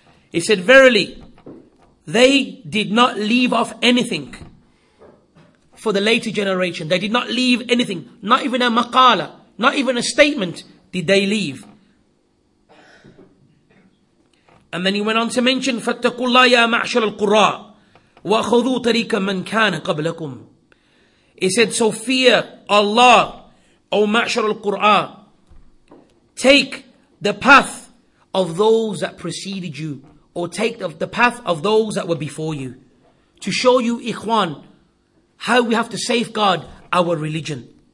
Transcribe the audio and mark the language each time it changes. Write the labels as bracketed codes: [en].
[en] He said, verily, they did not leave off anything for the later generation. They did not leave anything, not even a maqala, not even a statement did they leave. And then he went on to mention, [ar] فَاتَّقُوا اللَّهَ يَا مَعْشَرَ الْقُرَىٰ وَخُذُوا طَرِيكَ مَنْ كَانَ قَبْلَكُمْ. [en] He said, so fear Allah, O [ar] مَعْشَرَ الْقُرَىٰ, [en] take the path of those that preceded you, or take the path of those that were before you, to show you, ikhwan, how we have to safeguard our religion.